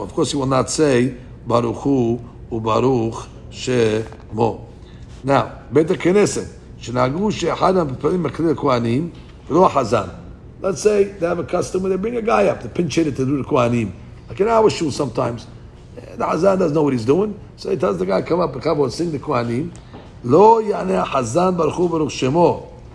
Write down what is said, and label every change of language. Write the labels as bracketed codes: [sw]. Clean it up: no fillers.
[en] Of course he will not say [he] ברוך הוא וברוך שמו. Now, בית הכנסת, שנהגו שאחד המפרים מקריא לכהנים, ולא החזן. [en] Let's say they have a custom where they bring a guy up, the pinch hitter to do the כהנים. Like in our shul sometimes, the חזן doesn't know what he's doing, so he tells the guy, come up, come up and sing the כהנים. [he] לא יענה החזן ברוך הוא ברוך שמו.